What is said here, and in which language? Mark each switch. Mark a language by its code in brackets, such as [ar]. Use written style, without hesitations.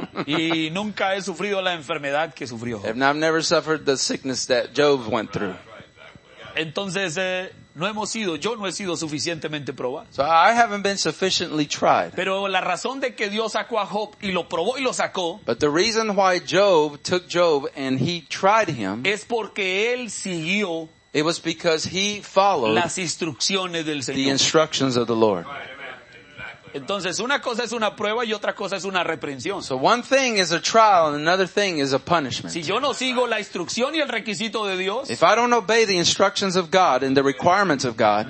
[es] Y nunca he sufrido la enfermedad que sufrió. [en] And I've never suffered the sickness that Job went through. [es] Entonces, no hemos sido, yo no he sido suficientemente probado. [en] So I haven't been sufficiently tried. [es] Pero la razón de que Dios sacó a Job y lo probó y lo sacó. [en] But the reason why Job took Job and he tried him. [es] Es porque él siguió. [en] It was because he followed. [es] Las instrucciones del Señor. [en] The instructions of the Lord. [es] Entonces una cosa es una prueba y otra cosa es una reprensión. [en] So one thing is a trial and another thing is a punishment. [es] Si yo no sigo la instrucción y el requisito de Dios, [en] if I don't obey the instructions of God and the requirements of God,